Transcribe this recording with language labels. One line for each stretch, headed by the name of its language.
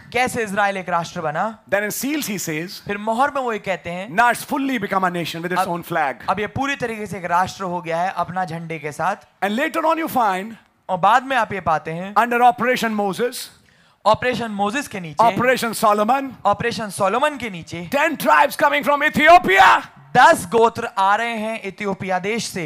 Hindi: कैसे इज़राइल एक राष्ट्र बना?
English: Then in seals he says.
Hindi: फिर मोहर में वो ये कहते हैं.
English: Now it's fully become a nation with its own flag.
Hindi: अब ये पूरी तरीके से एक राष्ट्र हो गया है अपना झंडे के साथ.
English: And later on you find.
Hindi: और बाद में आप ये पाते हैं.
English: Under Operation Moses.
Hindi: Operation Moses के नीचे.
English: Operation Solomon.
Hindi: Operation Solomon के नीचे.
English: 10 tribes coming from Ethiopia.
Hindi: 10 गोत्र आ रहे हैं इथियोपिया देश से,